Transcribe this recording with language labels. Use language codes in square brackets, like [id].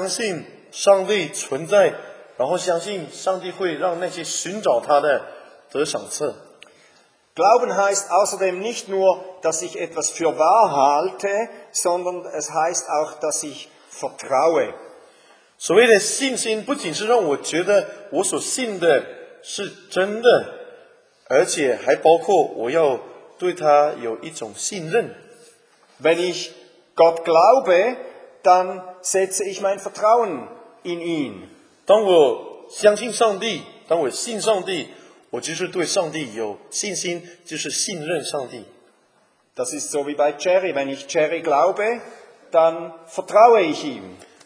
[zh] 我们要真的相信上帝存在, 然后相信上帝会让那些寻找他的得赏赐。 [de] Glauben heißt außerdem nicht nur, dass ich etwas für wahr halte, sondern es heißt auch, dass ich vertraue. [zh] 所谓的信心不仅是让我觉得我所信的是真的, 而且还包括我要对他有一种信任。 [de] Wenn ich Gott glaube, dann setze ich mein Vertrauen in ihn. [zh] 当我相信上帝，当我信上帝。我就是对上帝有信心，就是信任上帝。 [de] Das ist so wie bei Jerry. Wenn ich Jerry glaube, dann vertraue ich ihm.